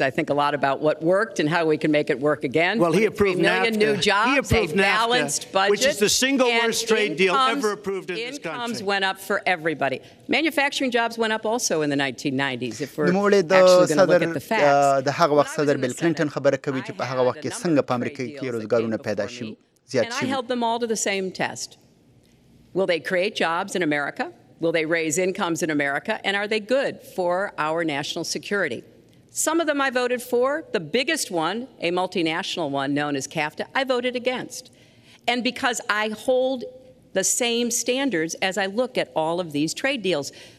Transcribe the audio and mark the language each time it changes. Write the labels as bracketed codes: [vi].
[en] I think a lot about what worked and how we can make it work again. Well, he approved NAFTA. 3 million new jobs. He approved NAFTA, balanced budget, which is the single worst trade deal ever approved in this country. Incomes went up for everybody. Manufacturing jobs went up also in the 1990s, if we're actually going to look at the facts. The [ps] هغه وخت صدر بل کلینټن خبره کوي چې په هغه وخت کې څنګه په امریکا کې روزګارونه پیدا شول زیات شول. [en] And I held them all to the same test. Will they create jobs in America? Will they raise incomes in America? And are they good for our national security? Some of them I voted for. The biggest one, a multinational one known as CAFTA, I voted against. And because I hold the same standards as I look at all of these trade deals.